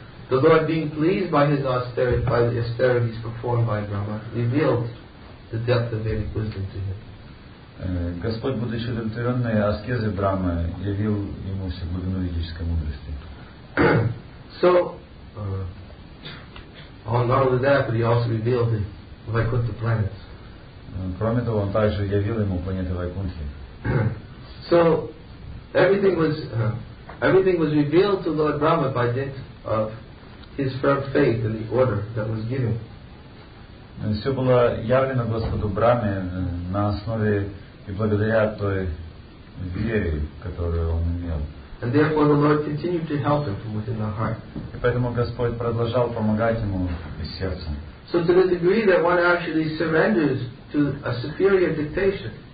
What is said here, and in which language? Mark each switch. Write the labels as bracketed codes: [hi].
[en] The Lord, being pleased by his austerity, by the austerities performed by Brahma, revealed the depth of Vedic wisdom to him. [ru] Господь, будучи удовлетворенный аскезой Брамы, явил ему всю глубину ведической мудрости. [en] So, not only that, but he also revealed the Vaikuntha planets. [ru] Кроме того, он также явил ему планеты Вайкунтхи. [en] So, everything was revealed to Lord Brahma by dint of his firm faith in the order that was given. [ru] Все было явлено Господу Браме на основе и благодаря той вере, которую он имел. [en] And therefore the Lord continued to help him from within the heart. [ru] И поэтому Господь продолжал помогать ему из сердца. [en] So to the degree that one actually surrenders to a superior dictation.